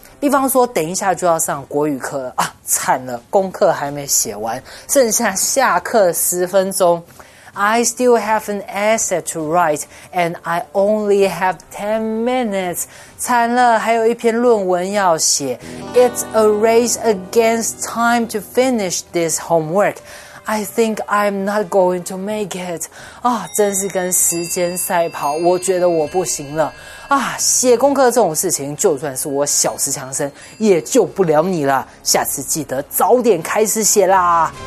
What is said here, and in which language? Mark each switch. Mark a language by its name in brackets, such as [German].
[Chinese] 比方说，等一下就要上国语课了啊，惨了，功课还没写完，剩下下课十分钟。 [English] I still have an essay to write, and I only have 10 minutes. [Chinese] 惨了，还有一篇论文要写。 [English] It's a race against time to finish this homework. I think I'm not going to make it. [Chinese] 啊，真是跟时间赛跑，我觉得我不行了。啊，写功课这种事情，就算是我小石强森，也救不了你了。下次记得早点开始写啦。